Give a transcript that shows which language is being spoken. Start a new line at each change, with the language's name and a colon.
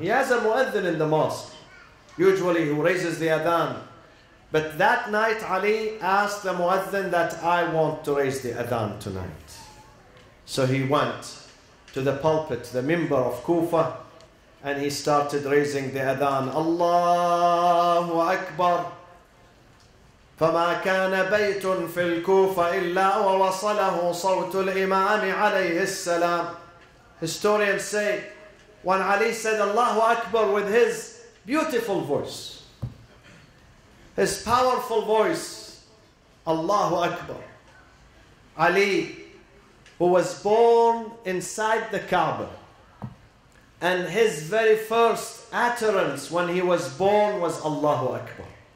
English: He has a muadhin in the mosque. Usually, he raises the adhan. But that night, Ali asked the muadhin that I want to raise the adhan tonight. So he went to the pulpit, the minbar of Kufa, and he started raising the adhan.
Arabic: Allahu Akbar. فما كان بيت في الكوفة إلا ووصله صوت الإمام عليه السلام.
English: Historians say, when Ali said Allahu Akbar with his beautiful voice, his powerful voice, Allahu Akbar. Ali, who was born inside the Kaaba, and his very first utterance when he was born was Allahu Akbar.